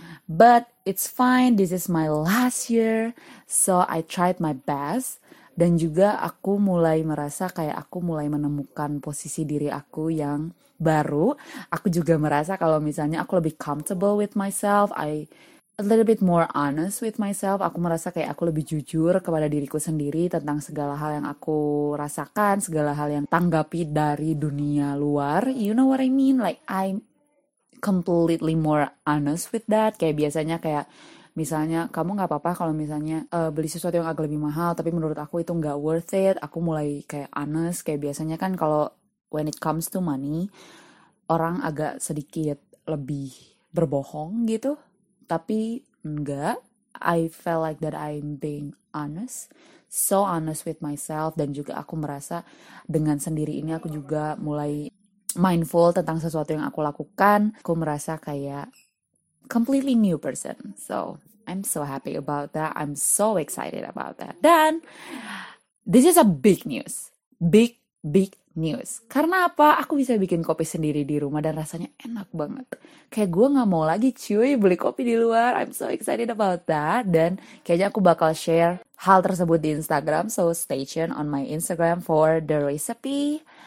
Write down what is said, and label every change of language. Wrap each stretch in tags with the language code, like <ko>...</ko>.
<en>But it's fine. This is my last year. So I tried my best.</en> <id>Dan juga aku mulai merasa kayak aku mulai menemukan posisi diri aku yang baru. Aku juga merasa kalau misalnya aku lebih</id> <en>comfortable with myself. I a little bit more honest with myself.</en> <id>Aku merasa kayak aku lebih jujur kepada diriku sendiri tentang segala hal yang aku rasakan. Segala hal yang tanggapi dari dunia luar.</id> <en>You know what I mean? Like I'm completely more honest with that.</en> <id>Kayak biasanya kayak, misalnya kamu gak apa-apa kalau misalnya beli sesuatu yang agak lebih mahal tapi menurut aku itu gak worth it. Aku mulai kayak honest, kayak biasanya kan kalau</id> <en>when it comes to money,</en> <id>orang agak sedikit lebih berbohong gitu. Tapi enggak,</id> <en>I felt like that I'm being honest, so honest with myself.</en> <id>Dan juga aku merasa dengan sendiri ini aku juga mulai mindful tentang sesuatu yang aku lakukan. Aku merasa kayak</id> <en>completely new person. So, I'm so happy about that. I'm so excited about that. Dan, this is a big news. Big, big news.</en> <id>Karena apa? Aku bisa bikin kopi sendiri di rumah dan rasanya enak banget. Kayak gue gak mau lagi cuy beli kopi di luar.</id> <en>I'm so excited about that.</en> <id>Dan, kayaknya aku bakal share hal tersebut di Instagram.</id> <en>So, stay tuned on my Instagram for the recipe.</en>